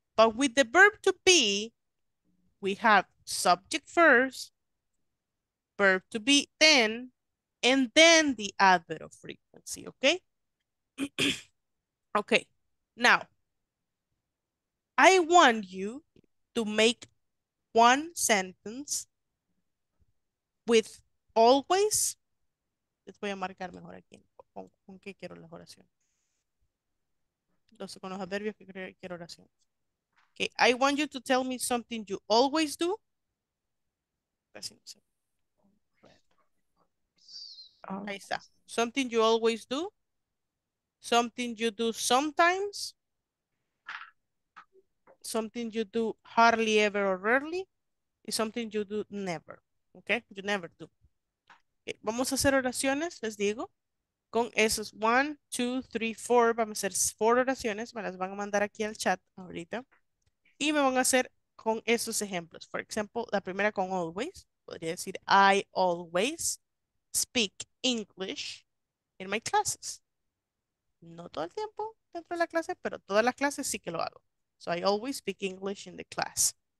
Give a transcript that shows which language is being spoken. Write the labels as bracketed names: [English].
[English] But with the verb to be, we have subject first, verb to be then, and then the adverb of frequency, okay? Okay, now, I want you to make one sentence with always. [Spanish] Les voy a marcar mejor aquí con qué quiero las oraciones. Con los adverbios que quiero oraciones. Okay, I want you to tell me something you always do. Ahí está. [English] Something you always do. Something you do sometimes. Something you do hardly ever or rarely. Y something you do never. Okay? You never do. Okay. [Spanish] Vamos a hacer oraciones, les digo. Con esos 1, 2, 3, 4. Vamos a hacer 4 oraciones. Me las van a mandar aquí al chat ahorita. Y me van a hacer con esos ejemplos. [English] For example, [Spanish] la primera con always. Podría decir, [English] I always speak English in my classes. [Spanish] No todo el tiempo dentro de la clase, pero todas las clases sí que lo hago. [English] So I always speak English in the class.